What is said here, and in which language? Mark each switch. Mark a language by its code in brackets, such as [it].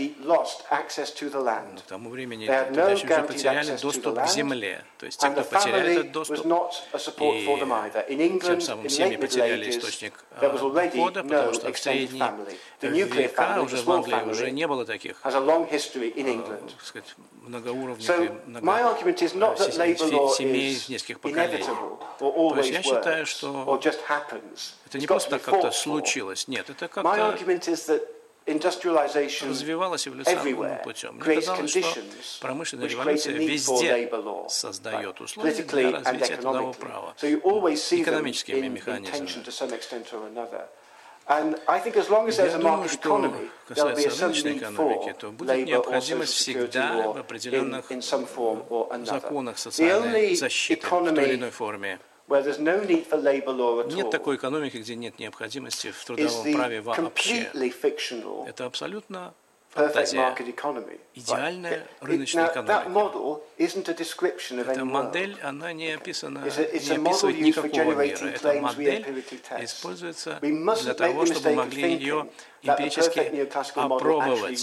[ru] Но к тому времени трудящие уже потеряли доступ к земле. То есть те, кто потеряли этот доступ, и тем самым семьи потеряли источник дохода, потому что в средние века уже в Англии уже не было таких, так сказать, многоуровневых, многоуровневых. [en] My argument is not that labor law is inevitable or always works or just happens. [ru] Это не просто как-то случилось. Нет, это как-то. [en] My argument is that industrialization [ru] развивалась эволюционным путем. Мне казалось, что промышленная революция везде создает условия для развития трудового права. [en] So you always see them in tension to some extent or another. And I think as long as there's a market economy, there'll be a certain need for labor or in some form or another. The only economy where there's no need for labor law at all. [ru] Нет такой экономики, где нет необходимости в трудовом праве вообще. [en] Completely fictional. [ru] Это абсолютно идеальная рыночная экономика. Эта модель, она не описана, не описывает никакого мира. Эта модель используется для того, чтобы могли ее эмпирически опробовать.